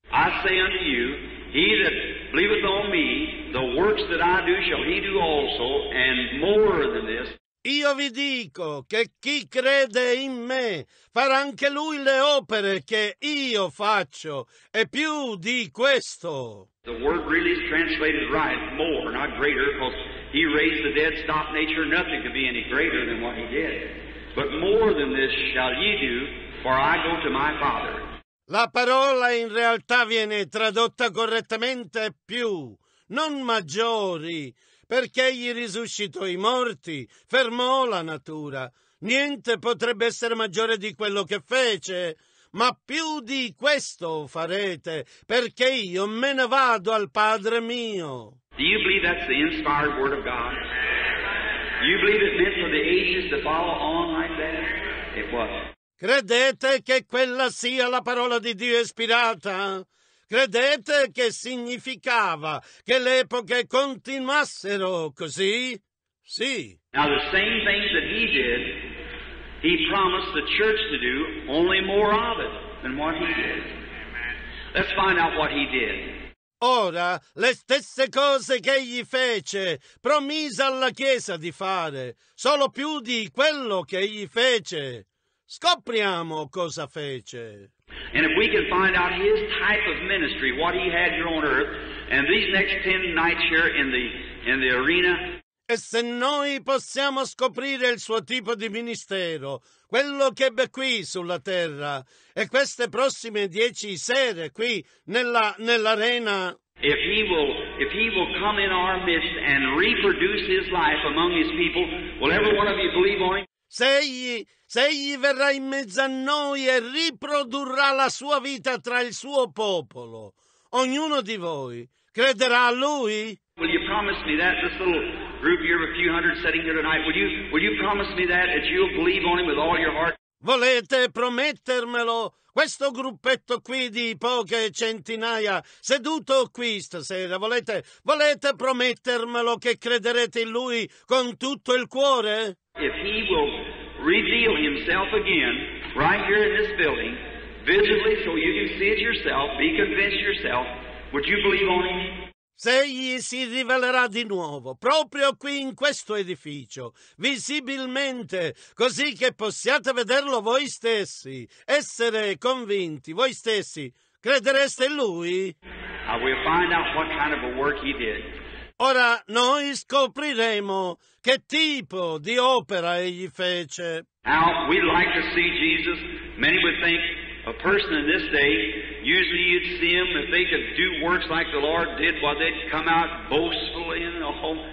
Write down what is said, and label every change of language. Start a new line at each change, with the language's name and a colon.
English: I say unto you, he that believeth on me, the works that I do shall he do also, and more than this.
Italian: Io vi dico che chi crede in me farà anche lui le opere che io faccio, e più di questo.
English: The word really is translated right, more, not greater, because he raised the dead, stopped nature, nothing could be any greater than what he did. But more than this shall ye do, for I go to my Father.
Italian: La parola in realtà viene tradotta correttamente più, non maggiori, perché egli risuscitò i morti, fermò la natura. Niente potrebbe essere maggiore di quello che fece, ma più di questo farete, perché io me ne vado al Padre mio.
English: Do you believe that's the inspired word of God? Do you believe it meant for the ages to follow on like that? It was.
Italian: Credete che quella sia la parola di Dio ispirata? Credete che significava che le epoche continuassero così? Sì.
English: Now the same things that he did, he promised the church to do, only more of it than what he did. Let's find out what he did.
Italian: Ora, le stesse cose che egli fece, promise alla Chiesa di fare, solo più di quello che egli fece. Scopriamo cosa fece.
English: And if we can find out his type of ministry, what he had here on earth, and these next 10 nights here in the arena.
Italian: E se noi possiamo scoprire il suo tipo di ministero, quello che ebbe qui sulla terra, e queste prossime 10 sere qui nell'arena.
English: If he will come in our midst and reproduce his life among his people, will every one of you believe on him?
Italian: Se egli verrà in mezzo a noi e riprodurrà la sua vita tra il suo popolo, ognuno di voi crederà a lui?
English: Will you promise me that, this little group here of a few hundred sitting here tonight, will you promise me that, that you'll believe on him with all your heart?
Italian: Volete promettermelo? Questo gruppetto qui di poche centinaia, seduto qui stasera, volete promettermelo che crederete in lui con tutto il cuore?
English: If he will reveal himself again, right here in this building, visibly, so you can see it yourself, be convinced yourself, would you believe on him?
Italian: Se egli si rivelerà di nuovo, proprio qui in questo edificio, visibilmente, così che possiate vederlo voi stessi, essere convinti, voi stessi, credereste in lui?
English: I will find out what kind of a work he did.
Italian: Ora noi scopriremo che tipo di opera egli fece.
English: Now, we'd like to see Jesus. Many would think a person in this day, usually you'd see him if they could do works like the Lord did, while they'd come out boastfully in the home.